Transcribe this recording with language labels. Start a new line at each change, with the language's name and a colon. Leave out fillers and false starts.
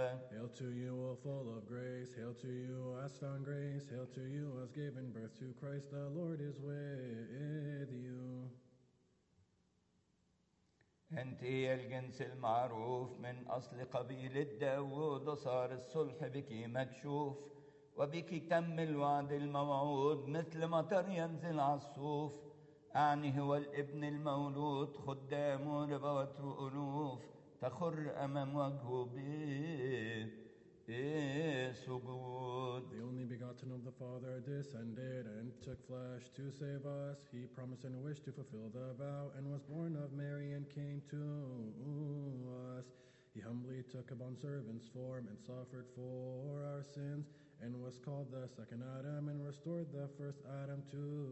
English: Hail to you, O full of grace. Hail to you, as found grace. Hail to you, as given birth to Christ. The Lord is with you.
Arabic: أنت هي الجنس المعروف من أصل قبيلة داود وصار الصلح بك مكشوف وبك تم الوعد الموعود مثل مطر ينزل على الصوف أعني هو الابن المولود خدامه ربوات وألوف تخر أمام وجهه به
English: The only begotten of the Father descended and took flesh to save us. He promised and wished to fulfill the vow and was born of Mary and came to us. He humbly took upon servant's form and suffered for our sins and was called the second Adam and restored the first Adam to